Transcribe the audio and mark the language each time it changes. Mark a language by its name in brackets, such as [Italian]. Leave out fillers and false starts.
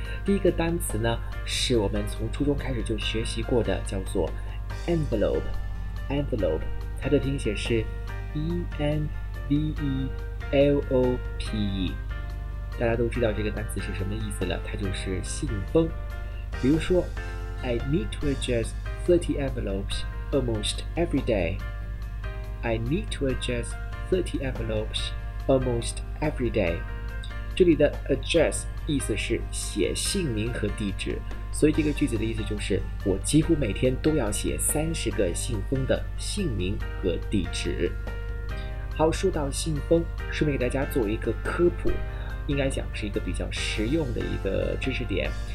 [Chinese] 第一个单词呢，是我们从初中开始就学习过的，叫做 envelope。 envelope 它的拼写是 envelope。大家都知道这个单词是什么意思了，它就是信封。比如说 [English] I need to address 30 envelopes almost every day. I need to address 30 envelopes almost every day. [Chinese] 这里的 address 意思是写姓名和地址，所以这个句子的意思就是我几乎每天都要写30个信封的姓名和地址。好，说到信封，顺便给大家做一个科普，应该讲是一个比较实用的一个知识点。